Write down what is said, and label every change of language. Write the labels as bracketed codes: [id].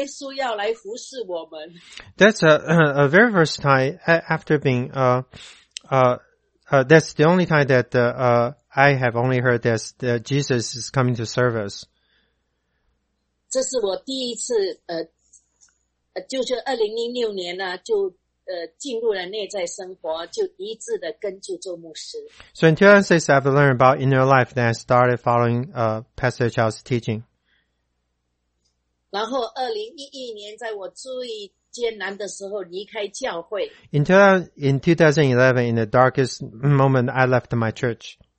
[zh] 哇，这是我这么多年第一次听到一个牧师对我们说，是耶稣要来服侍我们。 [en] That's a very first time after being that's the only time that I have only heard that Jesus is coming to serve us. [zh] 这是我第一次，就是2006年呢，就。进入了内在生活，就一致的跟住周牧师。 [en] So in 2006, I've learned about inner life, then I started following Pastor Chow's teaching. [zh] 然后2011年，在我最艰难的时候离开教会。 [en] In 2011, in the darkest moment, I left my church.